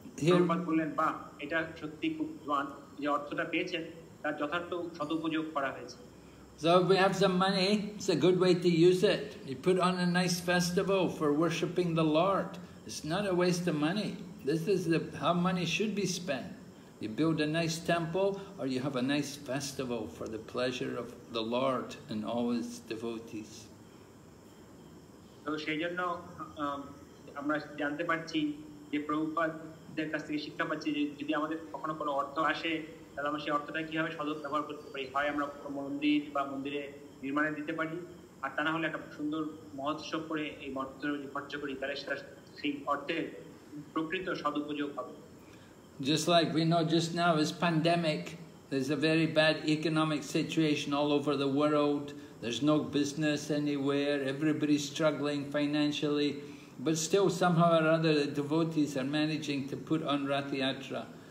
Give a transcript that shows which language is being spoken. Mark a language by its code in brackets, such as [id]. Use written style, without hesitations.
[bn] প্রভুপাদ বললেন বা এটা সত্যি খুব যে অর্থটা পেয়েছেন তার যথার্থ সদুপযোগ করা হয়েছে। [en] So if we have some money, it's a good way to use it. You put on a nice festival for worshipping the Lord. It's not a waste of money. This is how money should be spent. You build a nice temple or you have a nice festival for the pleasure of the Lord and all His devotees. [bn] তো সেই জন্য আমরা জানতে পারছি যে প্রভুপাদের কাছ থেকে শিক্ষা পাচ্ছি যে যদি আমাদের কখনো কোনো অর্থ আসে তাহলে আমরা সেই অর্থটা কীভাবে সদ্ব্যবহার করতে পারি, হয় আমরা মন্দির বা মন্দিরে নির্মাণে দিতে পারি, আর তা না হলে একটা সুন্দর মহোৎসব করে এই অর্থ যদি খরচ করি তাহলে সেটা সেই অর্থের প্রকৃত সদুপযোগ হবে। [en] Just like we know just now is pandemic, there's a very bad economic situation all over the world. There's no business anywhere, everybody's struggling financially, but still somehow or other the devotees are managing to put on Ratha Yatra.